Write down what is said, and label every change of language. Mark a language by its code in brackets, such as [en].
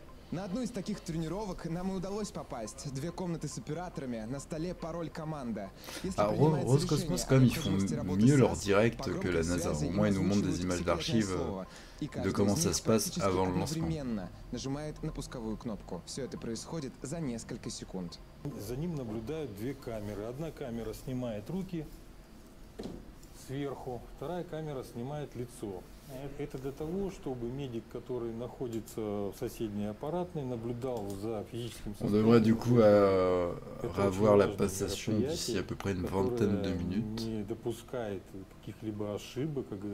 [ru] На одну из таких тренировок нам и удалось попасть. Две комнаты с операторами, на столе пароль команда. Если Роскосмос, [fr] comme ils font mieux leur direct que la NASA, au moins ils nous montrent des images d'archives de comment ça se passe avant le lancement. [ru] Нажимает на пусковую кнопку. Все это происходит за несколько секунд. За ним наблюдают две камеры. Одна камера снимает руки сверху, вторая камера снимает лицо. Это для того, чтобы медик, который находится в соседней аппаратной, наблюдал за физическим состоянием. [fr] On devrait du coup revoir la passation d'ici à peu près une vingtaine de minutes. [ru] Не допускает каких-либо ошибок.